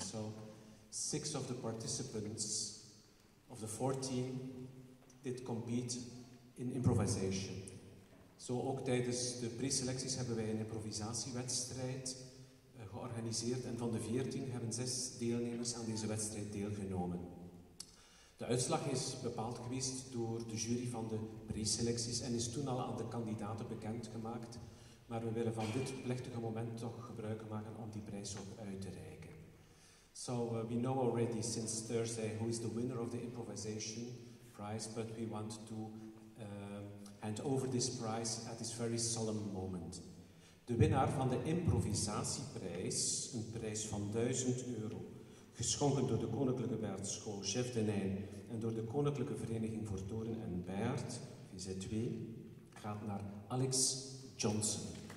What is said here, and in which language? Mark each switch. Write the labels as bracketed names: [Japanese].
[English] So 6 of the participants of the 14 did compete in improvisation. [Dutch] Zo ook tijdens de preselecties hebben wij een improvisatiewedstrijd georganiseerd en van de 14 hebben 6 deelnemers aan deze wedstrijd deelgenomen. De uitslag is bepaald geweest door de jury van de preselecties en is toen al aan de kandidaten bekendgemaakt. Maar we willen van dit plechtige moment toch gebruik maken om die prijs ook uit te reiken. [English] So we know already since Thursday who is the winner of the improvisation prize, but we want to hand over this prize at this very solemn moment. [Dutch] De winnaar van de improvisatieprijs, een prijs van 1000 euro, geschonken door de Koninklijke Bijaardschool Chef de Nijn en door de Koninklijke Vereniging voor Toren en Bijaard, VZW, gaat naar Alex Johnson.